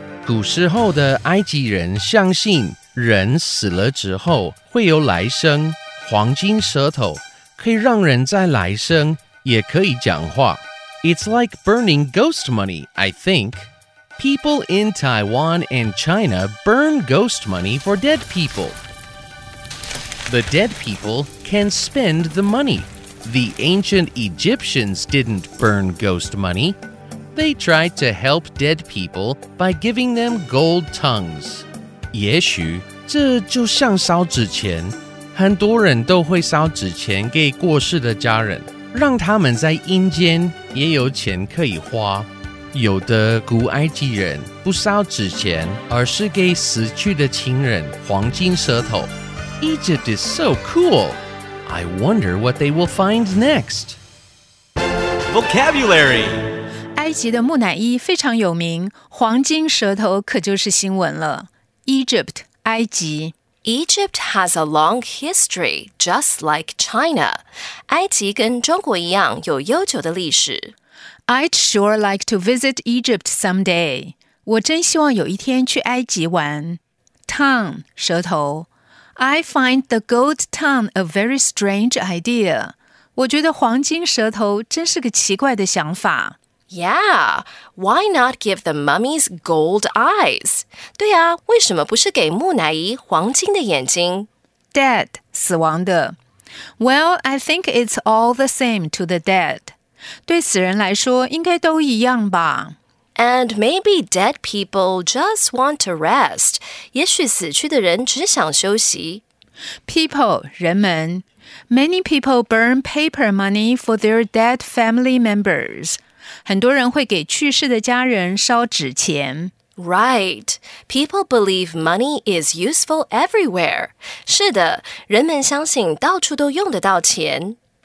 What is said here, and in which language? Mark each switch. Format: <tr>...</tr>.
<zh>古时候的埃及人相信人死了之后会有来生，黄金舌头可以让人在来生也可以讲话。</zh> <en>It's like burning ghost money, I think. People in Taiwan and China burn ghost money for dead people. The dead people can spend the money. The ancient Egyptians didn't burn ghost money. They tried to help dead people by giving them gold tongues.</en> <zh>也许这就像烧纸钱，很多人都会烧纸钱给过世的家人，让他们在阴间也有钱可以花。有的古埃及人不烧纸钱，而是给死去的亲人黄金舌头。</zh> <en>Egypt is so cool. I wonder what they will find next. Vocabulary.</en> <zh>埃及的木乃伊非常有名，黄金舌头可就是新闻了。</zh> <en>Egypt,</en> <zh>埃及。</zh> <en>Egypt has a long history, just like China.</en> <zh>埃及跟中国一样有悠久的历史。</zh> <en>I'd sure like to visit Egypt someday.</en> <zh>我真希望有一天去埃及玩。</zh> <en>Tongue,</en> <zh>舌头。</zh> <en>I find the gold tongue a very strange idea.</en> <zh>我觉得黄金舌头真是个奇怪的想法。</zh> <en>Yeah, why not give the mummies gold eyes?</en> <zh>对啊，为什么不是给木乃伊黄金的眼睛？</zh> <en>Dead,</en> <zh>死亡的。</zh> <en>Well, I think it's all the same to the dead.</en> <zh>对死人来说应该都一样吧。</zh> <en>And maybe dead people just want to rest.</en> <zh>也许死去的人只想休息。</zh> <en>People,</en> <zh>人们。</zh> <en>Many people burn paper money for their dead family members.</en> <zh>很多人会给去世的家人烧纸钱。</zh> <en>Right. People believe money is useful everywhere.</en> <zh>是的，人们相信到处都用得到钱。</zh>